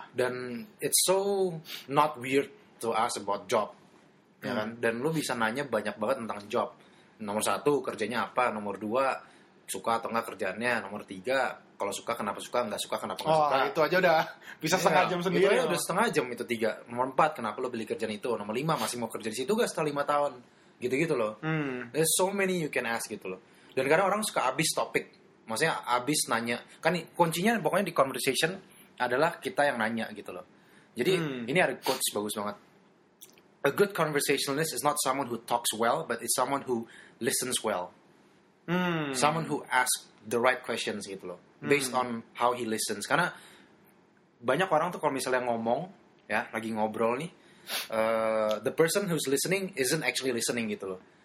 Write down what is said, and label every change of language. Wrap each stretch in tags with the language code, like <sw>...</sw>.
<en>Dan it's so not weird to ask about job.</en> <id>Ya kan? Dan lu bisa nanya banyak banget tentang job. Nomor satu, kerjanya apa? Nomor dua, suka atau enggak kerjaannya? Nomor tiga, kalau suka kenapa suka? Enggak suka kenapa enggak suka? Oh, itu aja udah bisa setengah jam sendiri. Itu udah setengah jam itu tiga. Nomor empat, kenapa lu beli kerjaan itu? Nomor lima, masih mau kerja di situ enggak setelah lima tahun? Gitu-gitu loh.</id> <en>There's so many you can ask</en> <id>gitu loh. Dan kadang orang suka abis topik. Maksudnya abis nanya, kan kuncinya pokoknya di conversation adalah kita yang nanya gitu loh. Jadi ini ada quotes bagus banget.</id> <en>A good conversationalist is not someone who talks well, but it's someone who listens well. Someone who asks the right questions</en> <id>gitu loh.</id> <en>Based on how he listens.</en> <id>Karena banyak orang tuh kalau misalnya ngomong, ya lagi ngobrol nih,</id> <en>the person who's listening isn't actually listening</en> <id>gitu loh.</id>